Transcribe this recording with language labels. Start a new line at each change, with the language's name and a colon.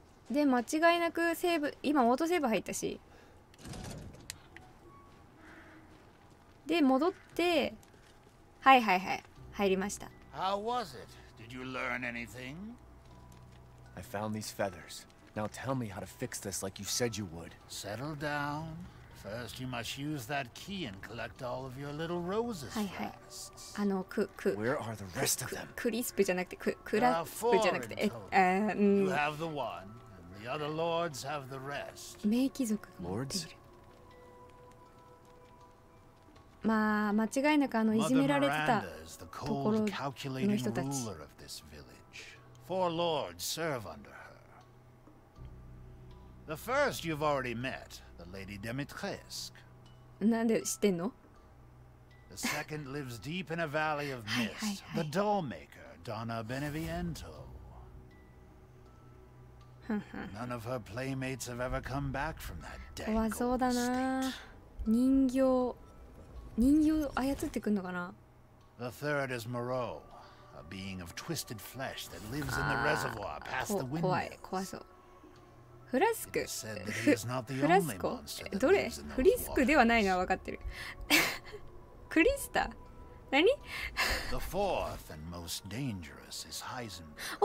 Japanese: で、間違いなくセーブ、今オートセーブ入ったし。で、戻って、はいはいはい、入りました。
English: How was it? Did you learn anything? I found these feathers. Now tell me how to fix this like you said you would. Settle down. First you must use that key and collect all of your little roses.
Japanese: はいはい。あの、
English: Where are the rest of them?
Japanese: クリスプじゃなくて、クラスプじゃなくて、
English: You have the one. The other lords have the rest.
Japanese: 名貴族が持っている。まあ、間違いなくあのいじめられてたところの人たち。
English: ルーラーの this village. Four lords serve under her. The first you've already met, the lady Demetresc.
Japanese: なんで知ってんの？
English: The second lives deep in a valley of mist. The dollmaker, Donna Beneviento. None of her playmates have ever come back from that day.
Japanese: 怖そうだな。人形操ってくんのかな。
English: The third is Moreau, a being of twisted flesh that lives in the reservoir past the windmill.
Japanese: 怖い、怖そう。フラスク、フラスコ、どれ、フリスクではないのは分かってる。クリスタ、何？
English: The fourth and most dangerous is Heisenberg.